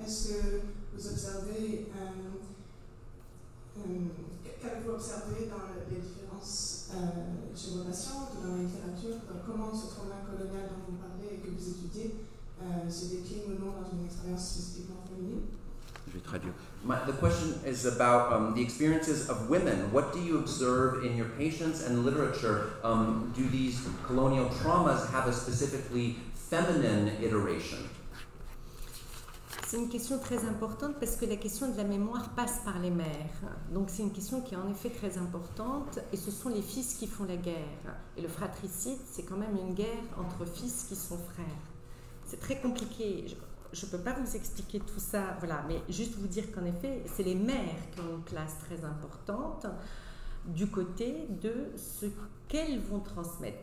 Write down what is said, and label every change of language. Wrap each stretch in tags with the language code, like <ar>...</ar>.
<fr>Est-ce que vous observez, qu'avez-vous observé dans les différences chez vos patientes, dans la littérature, dans comment ce trauma colonial dont vous parlez et que vous étudiez se décline ou non dans une expérience spécifiquement féminine?</fr> <en>The question is about the experiences of women. What do you observe in your patients and literature? Do these colonial traumas have a specifically feminine iteration?</en> <fr>C'est une question très importante parce que la question de la mémoire passe par les mères. Donc c'est une question qui est en effet très importante et ce sont les fils qui font la guerre. Et le fratricide, c'est quand même une guerre entre fils qui sont frères. C'est très compliqué. Je ne peux pas vous expliquer tout ça, voilà, mais juste vous dire qu'en effet, c'est les mères qui ont une place très importante du côté de ce qu'elles vont transmettre.</fr>